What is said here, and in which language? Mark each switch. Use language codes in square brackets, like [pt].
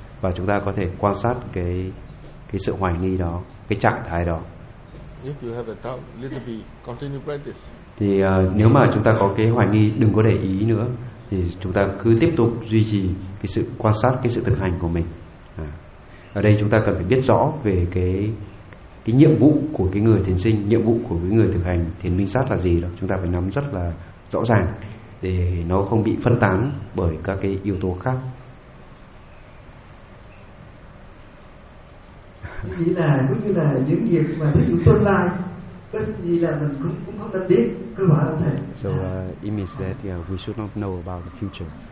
[vi] Và chúng ta có thể quan sát cái sự hoài nghi đó, cái trạng thái đó. [en] If you have a doubt, little bit, continue practice. [vi] Thì nếu mà chúng ta có cái hoài nghi, đừng có để ý nữa, thì chúng ta cứ tiếp tục duy trì cái sự quan sát, cái sự thực hành của mình. Ở đây chúng ta cần phải biết rõ về cái nhiệm vụ của cái người thiền sinh, nhiệm vụ của cái người thực hành thiền minh sát là gì đó, chúng ta phải nắm rất là rõ ràng để nó không bị phân tán bởi các cái yếu tố khác. Chỉ là cũng như là những việc mà thí dụ tương lai, cái gì là mình cũng không cần biết, cơ bản là thế. [en] So it means that we should not know about the future.